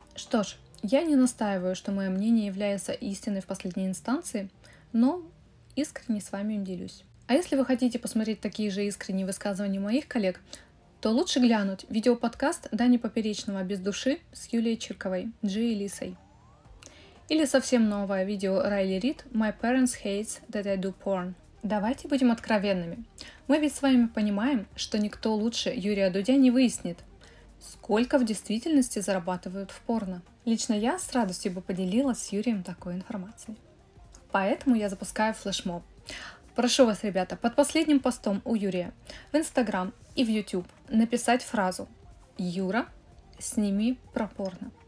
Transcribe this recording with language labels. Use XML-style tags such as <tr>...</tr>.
<ru>Что ж, я не настаиваю, что мое мнение является истиной в последней инстанции, но искренне с вами им делюсь. А если вы хотите посмотреть такие же искренние высказывания моих коллег, то лучше глянуть видеоподкаст «Дани Поперечного без души» с Юлией Чирковой, Джи и Лисой. Или совсем новое видео Райли Рид</ru> <en>«My parents hate that I do porn».</en> <ru>Давайте будем откровенными. Мы ведь с вами понимаем, что никто лучше Юрия Дудя не выяснит, сколько в действительности зарабатывают в порно. Лично я с радостью бы поделилась с Юрием такой информацией. Поэтому я запускаю флешмоб. Прошу вас, ребята, под последним постом у Юрия в Инстаграм и в Ютуб написать фразу «Юра, сними про порно».</ru>